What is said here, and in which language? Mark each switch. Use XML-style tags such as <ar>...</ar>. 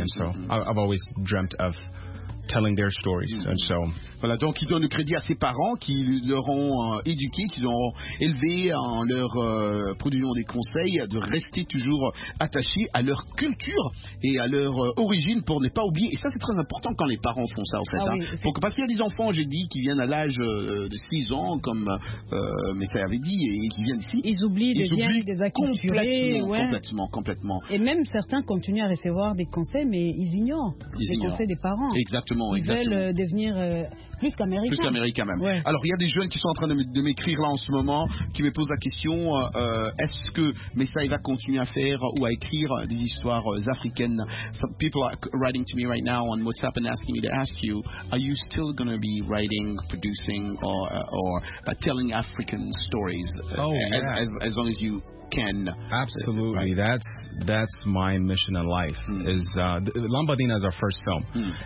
<en>And so, I've always dreamt of telling their stories. Mm-hmm. And so,</en> <fr>voilà, donc ils donnent le crédit à ses parents qui leur ont éduqué, qui l'ont élevé en leur produisant des conseils de rester toujours attachés à leur culture et à leur origine pour ne pas oublier. Et ça, c'est très important quand les parents font ça, en fait. Parce qu'il y a des enfants, j'ai dit, qui viennent à l'âge de 6 ans, comme Messiah avait dit, et qui viennent ici. Ils oublient les liens, les acculturés. Complètement. Et même certains continuent à recevoir des conseils, mais ils ignorent conseils des parents. Exactement. Ils veulent devenir... plus qu'américain. Plus qu'américain même. Ouais. Alors, il y a des jeunes qui sont en train de m'écrire là en ce moment, qui me posent la question, est-ce que Messiah va continuer à faire ou à écrire des histoires africaines?</fr> <en>Some people are writing to me right now on WhatsApp and asking me to ask you, are you still going to be writing, producing or telling African stories? As long as you can. Absolutely. Right? That's my mission in life. Is Lambadina is our first film.</en>